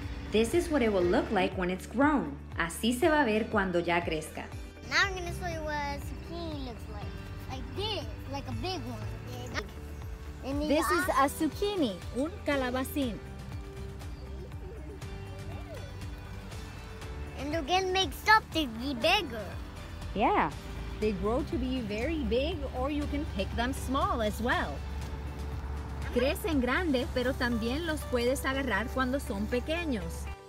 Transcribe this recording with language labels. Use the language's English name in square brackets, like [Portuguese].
[English] This is what it will look like when it's grown. [Spanish] Así se va a ver cuando ya crezca. [English] Now I'm going to show you what zucchini looks like. Like this, like a big one. This is a zucchini, [Spanish] un calabacín. [English] And they're going to make stuff to be bigger. Yeah. They grow to be very big, or you can pick them small as well. [Spanish] Crecen grandes, pero también los puedes agarrar cuando son pequeños.